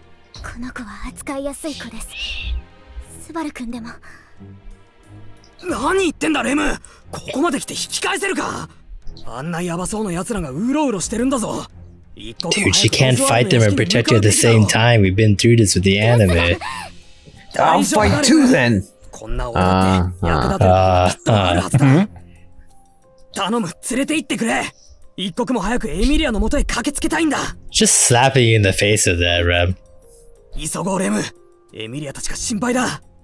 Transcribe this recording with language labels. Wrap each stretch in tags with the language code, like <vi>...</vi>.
<ja>この子は扱いやすい子です。スバル君でも。何言ってんだレム。ここまで来て引き返せるか。あんなヤバそうな奴らがうろうろしてるんだぞ。</ja> <en>Dude, she can't fight them and protect you at the same time. We've been through this with the anime. I'll fight too then.</en> <ja>こんな俺って頼む、連れて行ってくれ。一刻も早くエミリアの元へ駆けつけたいんだ。</ja> <en>Just slapping you in the face of that, Reb.</en> <ja>急ごうレム、エミリアたちが心配だ。</ja>